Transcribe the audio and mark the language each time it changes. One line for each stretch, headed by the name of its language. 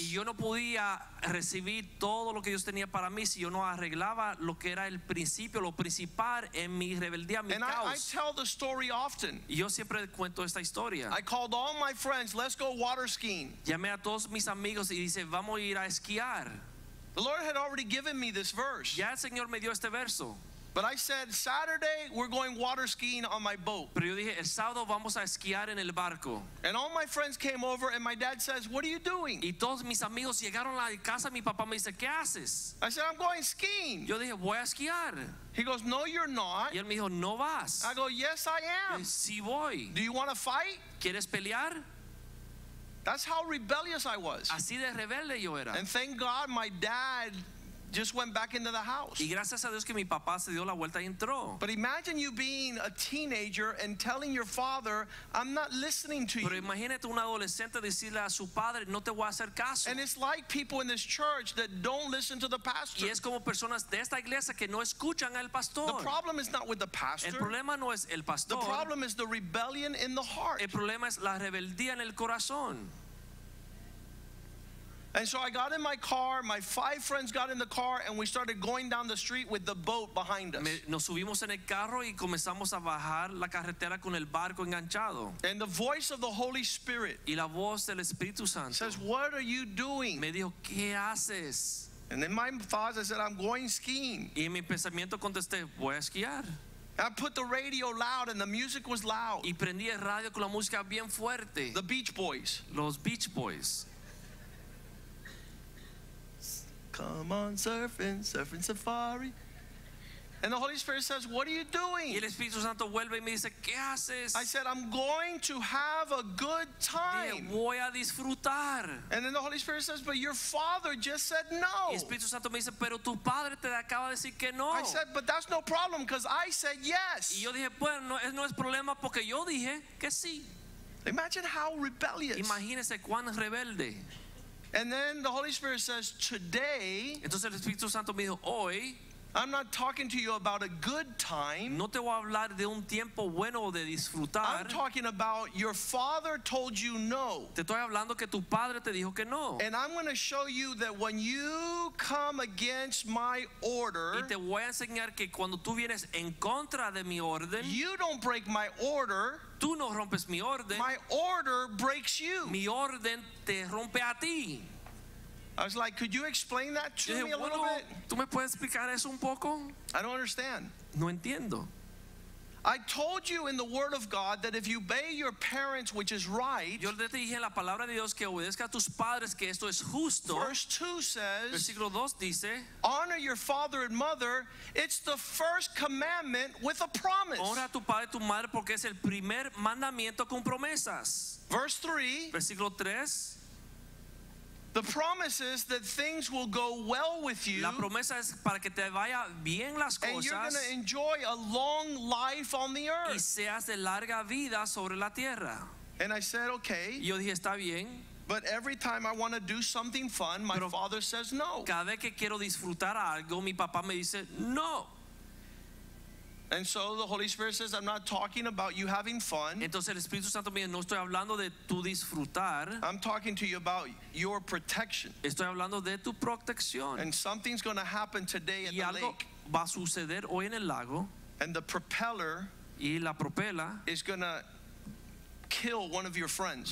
Spanish: Y yo no podía recibir todo lo que Dios tenía para mí si yo no arreglaba lo que era el principio, lo principal en mi rebeldía, mi
English: caos. And I tell the story often.
Spanish: Y yo siempre cuento esta historia.
English: I called all my friends, let's go water skiing.
Spanish: Llamé a todos mis amigos y dice, vamos a ir a esquiar.
English: The Lord had already given me this verse.
Spanish: Ya el Señor me dio este verso.
English: But I said, Saturday we're going water skiing on my boat.
Spanish: Pero yo dije, el sábado vamos a esquiar en el barco.
English: And all my friends came over and my dad says, what are you doing?
Spanish: Y todos mis amigos llegaron a la casa, mi papá me dice, ¿qué haces?
English: I said, I'm going skiing.
Spanish: Yo dije, voy a esquiar.
English: He goes, no, you're not.
Spanish: Y él me dijo, no vas.
English: I go, yes, I am.
Spanish: Sí voy.
English: Do you want to fight?
Spanish: ¿Quieres pelear?
English: That's how rebellious I was.
Spanish: Así de rebelde yo era.
English: And thank God my dad just went back into the house.
Spanish: Y gracias a Dios que mi papá se dio la vuelta y entró.
English: But imagine you being a teenager and telling your father, I'm not listening to
Spanish: pero
English: you.
Spanish: Imagínate un adolescente decirle a su padre, no te voy a hacer caso.
English: And it's like people in this church that don't listen to the pastor.
Spanish: Y es como personas de esta iglesia que no escuchan al pastor.
English: The problem is not with the pastor.
Spanish: El problema no es el pastor.
English: The problem is the rebellion in the heart.
Spanish: El problema es la rebeldía en el corazón.
English: And so I got in my car, my five friends got in the car, and we started going down the street with the boat behind us.
Spanish: Nos subimos en el carro y comenzamos a bajar la carretera con el barco enganchado.
English: And the voice of the Holy Spirit,
Spanish: y la voz del Espíritu Santo,
English: says, what are you doing?
Spanish: Me dijo, ¿qué haces?
English: And in my thoughts I said, I'm going skiing.
Spanish: Y en mi pensamiento contesté, voy a esquiar.
English: I put the radio loud and the music was loud.
Spanish: Y prendí el radio con la música bien fuerte.
English: The Beach Boys.
Spanish: Los Beach Boys.
English: Come on, surfing, surfing safari. And the Holy Spirit says, what are you doing?
Spanish: Y el Espíritu Santo vuelve y me dice, ¿qué haces?
English: I said, I'm going to have a good time.
Spanish: Dije, voy a disfrutar.
English: And then the Holy Spirit says, but your father just said no.
Spanish: Y el Espíritu Santo me dice, pero tu padre te acaba de decir que no.
English: I said, but that's no problem because I said yes.
Spanish: Y yo dije, bueno, no es problema porque yo dije que sí.
English: Imagine how rebellious.
Spanish: Imagínese cuán rebelde.
English: And then the Holy Spirit says, "Today."
Spanish: Entonces el Espíritu Santo me dijo, "Hoy."
English: I'm not talking to you about a good time.
Spanish: No te voy a hablar de un tiempo bueno de disfrutar.
English: I'm talking about your father told you no.
Spanish: Te estoy hablando que tu padre te dijo que no.
English: And I'm going to show you that when you come against my order.
Spanish: Y te voy a enseñar que cuando tú vienes en contra de mi orden.
English: You don't break my order.
Spanish: Tú no rompes mi orden.
English: My order breaks you.
Spanish: Mi orden te rompe a ti.
English: I was like, could you explain that to me a little
Spanish: bueno,
English: bit?
Spanish: ¿Tú me puedes explicar eso un poco?
English: I don't understand.
Spanish: No entiendo.
English: I told you in the word of God that if you obey your parents, which is right.
Spanish: Yo te dije en la palabra de Dios que obedezca a tus padres, que esto es justo.
English: Verse 2 says.
Spanish: Versículo 2 dice.
English: Honor your father and mother. It's the first commandment with a promise.
Spanish: Honra a tu padre y tu madre porque es el primer mandamiento con promesas.
English: Verse 3.
Spanish: Versículo 3.
English: The promise is that things will go well with you.
Spanish: La promesa es para que te vaya bien las cosas.
English: And you're going to enjoy a long life on the earth.
Spanish: Y seas de larga vida sobre la tierra.
English: And I said, okay.
Spanish: Yo dije, está bien.
English: But every time I want to do something fun, my father says no.
Spanish: Cada vez que quiero disfrutar algo, mi papá me dice no.
English: And so the Holy Spirit says, I'm not talking about you having fun.
Spanish: Entonces el Espíritu Santo me dice, no estoy hablando de tu disfrutar.
English: I'm talking to you about your protection.
Spanish: Estoy hablando de tu protección.
English: And something's going to happen today at the lake.
Spanish: Y algo va a suceder hoy en el lago.
English: And the propeller
Spanish: y la propela
English: is going to kill one of your friends.